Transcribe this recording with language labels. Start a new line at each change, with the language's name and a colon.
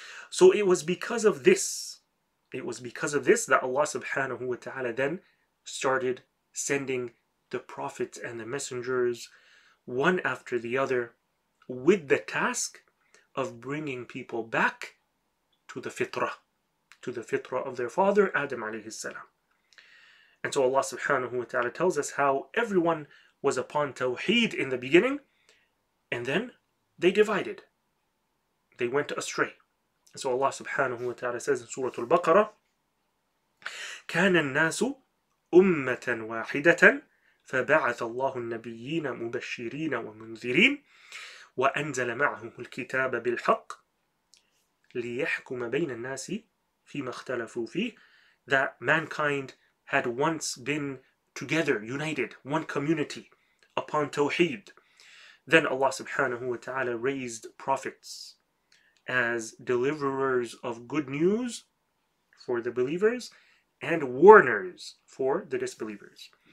English: So it was because of this that Allah subhanahu wa ta'ala then started sending the prophets and the messengers one after the other with the task of bringing people back to the fitrah of their father Adam alayhi salam. And so Allah subhanahu wa ta'ala tells us how everyone was upon Tawheed in the beginning, and then they divided. They went astray. And so Allah subhanahu wa ta'ala says in Surah Al-Baqarah,
Arabic: كان الناس أمة واحدة فبعث الله النبيين مبشرين ومنذرين وأنزل معهم الكتاب بالحق ليحكم بين الناس فيما اختلفوا فيه.
English: That mankind had once been together, united, one community upon Tawheed. Then Allah subhanahu wa ta'ala raised prophets as deliverers of good news for the believers and warners for the disbelievers.